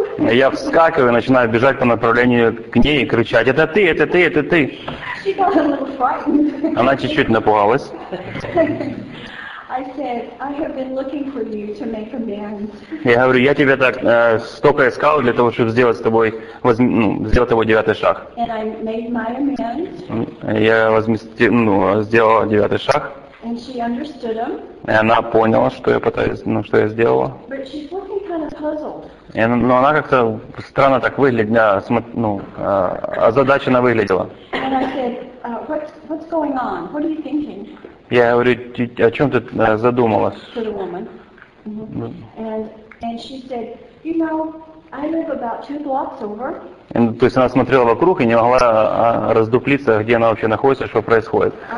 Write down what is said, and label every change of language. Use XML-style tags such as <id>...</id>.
<ru>Я вскакиваю и начинаю бежать по направлению к ней и кричать: «Это ты, это ты, это ты!»</ru> <en>She got a little frightened.</en> <ru>Она чуть-чуть напугалась.</ru> <en>I said, I have been looking for you to make amends.</en> <ru>Я говорю, я тебя так столько искал для того, чтобы сделать тобой девятый шаг.</ru> <en>And I made my amends.</en> <ru>Я сделал девятый шаг.</ru> <en>And she understood him.</en> <ru>И она поняла, что я пытаюсь, ну, что я сделала.</ru> <en>But she's looking kind of puzzled.</en> <ru>И, ну, она как-то странно так выглядела, ну, озадаченно выглядела.</ru> <en>And I said, what's going on? What are you thinking?</en> <ru>Я говорю, о чем ты задумалась?</ru> <en>To the woman. Mm-hmm. And she said, you know, I live about 2 blocks over.</en> <ru>То есть она смотрела вокруг и не могла раздуплиться, где она вообще находится, что происходит.</ru>